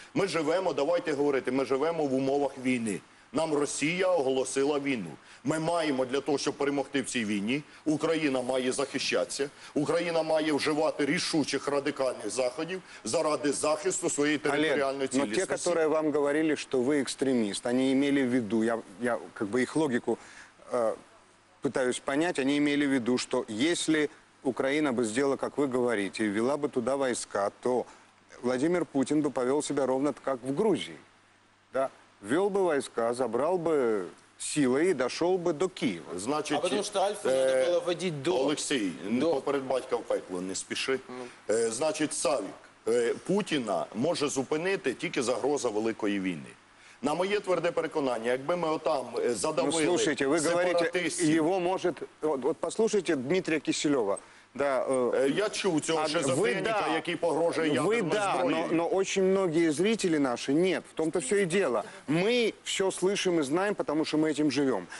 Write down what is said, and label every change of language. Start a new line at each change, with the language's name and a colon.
Ukrainian: Ми живемо, давайте говорити, ми живемо в умовах війни. Нам Росія оголосила війну. Ми маємо для того, щоб перемогти в цій війні, Україна має захищатися, Україна має вживати рішучих радикальних заходів заради захисту своєї територіальної цілісності.
Russian: Олег, но те, которые вам говорили, что вы экстремист, они имели в виду, я как бы их логику пытаюсь понять, они имели в виду, что если Украина бы сделала, как вы говорите, ввела бы туда войска, то Владимир Путин бы повел себя ровно как в Грузии. Да? Ввел бы войска, забрал бы силы и дошел бы до Киева. Значит, а потому что Альфу надо было вводить до...
Ukrainian: Олексей, поперед батька в пекло, не спеши. Значит, Савік, Путіна може зупинити тільки загроза Великої війни. На моє тверде переконання, якби ми отам задавили...
Russian: Ну, слушайте,
Ukrainian: ви говорите, його може...
Russian: От послушайте Дмитрия Киселева. Да,
Ukrainian: я чув цього шизофреніка, який погрожує ядерною зброєю.
Russian: Ви, но очень многие зрители наши, нет, в том-то все и дело. Мы все слышим и знаем, потому что мы этим живем.